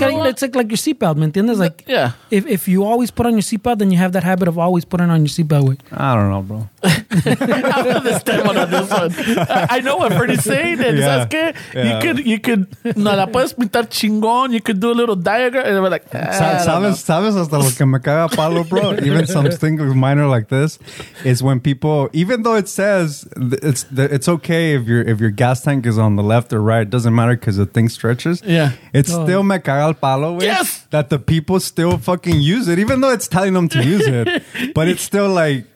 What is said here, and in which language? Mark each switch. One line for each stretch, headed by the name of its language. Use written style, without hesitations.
English: like your seatbelt, man.
Spanish: ¿Entiendes?
English: Like, yeah. If you always put on your seatbelt, then you have that habit of always putting on your seatbelt way. I don't know, bro. I know what Freddy's saying. Yeah.
Spanish: ¿Sabes qué?
English: Yeah. You could
Spanish: no la puedes pintar chingón.
English: You could do a little diagram and be like,
Spanish: ¿sabes hasta lo que me caga palo, bro?
English: Even something minor like this is when people, even though it says it's okay if your gas tank is on the left or right, it doesn't matter because the thing stretches. Yeah, it's still
Spanish: me caga el palo.
English: Yes, that the people still fucking use it, even though it's telling them to use it, but it's still like.